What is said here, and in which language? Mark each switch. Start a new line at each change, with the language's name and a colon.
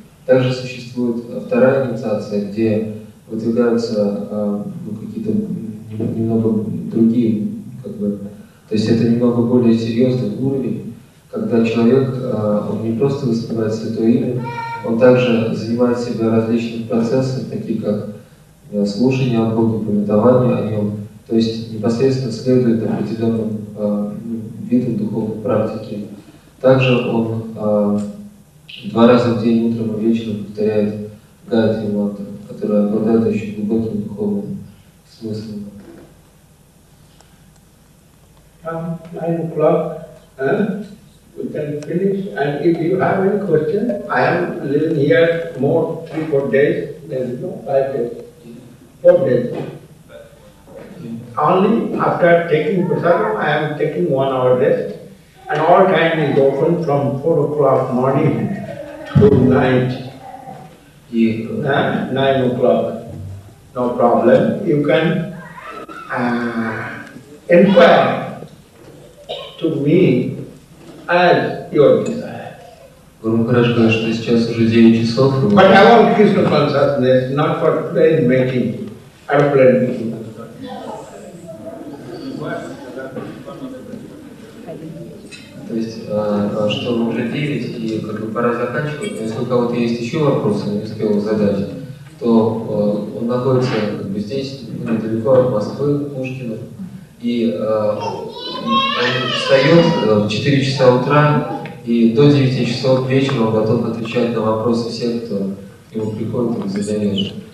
Russian: Также существует вторая инициация, где выдвигаются какие-то немного другие, как бы, то есть это немного более серьезный уровень, когда человек, он не просто воспевает святое имя, он также занимает себя различными процессами, такие как слушание о Боге, памятование о нем, то есть непосредственно следует определенным видам духовной практики. Также он два раза в день, утром и вечером, повторяет гаятри мантру, которая обладает очень глубоким духовным смыслом.
English: Come 9 o'clock, we can finish. And if you have any question, I am living here more 3-4 days, then no, 5 days, 4 days. Only after taking prasadam, I am taking 1 hour rest. And all time is open from 4 o'clock morning to night. Yeah. 9 o'clock. No problem. You can In fact, to me, as your desire.
Russian: Гуру Махарадж говорит, что сейчас уже 9 часов.
English: But I want Krishna consciousness, not for plane making, airplane making.
Russian: То есть, что уже 9, и как бы пора заканчивать, но если у кого-то есть еще вопросы, не успел задать, то он находится как бы здесь, недалеко от Москвы, Пушкина, и он встает в 4 часа утра, и до 9 часов вечера он готов отвечать на вопросы всех, кто к нему приходит и задает.